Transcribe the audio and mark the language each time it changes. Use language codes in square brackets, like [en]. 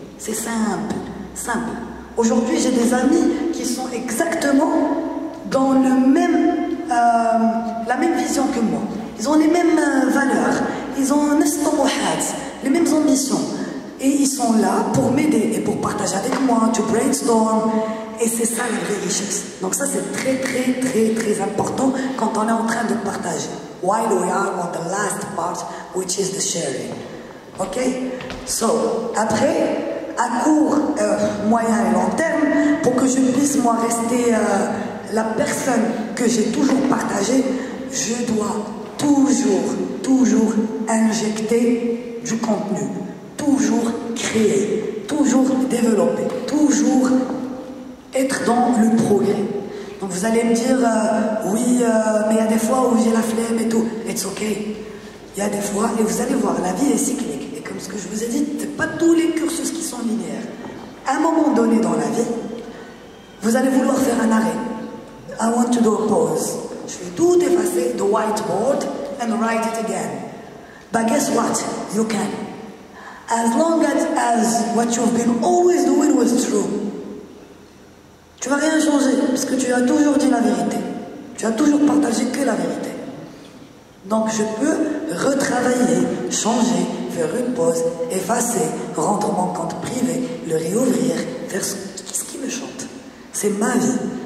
[fr] C'est simple, simple. Aujourd'hui, j'ai des amis qui sont exactement dans le même, la même vision que moi. Ils ont les mêmes valeurs, ils ont les mêmes ambitions. Et ils sont là pour m'aider et pour partager avec moi, [en] to brainstorm. [fr] Et c'est ça la vraie richesse. Donc ça c'est très très très très important quand on est en train de partager. [en] While we are on the last part, which is the sharing. Ok? [fr] So, après, à court, moyen et long terme, pour que je puisse moi rester la personne que j'ai toujours partagée, je dois... toujours, toujours injecter du contenu, toujours créer, toujours développer, toujours être dans le progrès. Donc vous allez me dire, oui, mais il y a des fois où j'ai la flemme et tout, [en] it's ok. [fr] Il y a des fois, et vous allez voir, la vie est cyclique. Et comme ce que je vous ai dit, c'est pas tous les cursus qui sont linéaires. À un moment donné dans la vie, vous allez vouloir faire un arrêt. [en] I want to do a pause. [fr] Je vais tout effacer, [en] the whiteboard, and write it again. But guess what? You can. As long as what you've been always doing was true. [fr] Tu vas rien changer, parce que tu as toujours dit la vérité. Tu as toujours partagé que la vérité. Donc je peux retravailler, changer, faire une pause, effacer, rendre mon compte privé, le réouvrir, faire ce qui me chante. C'est ma vie.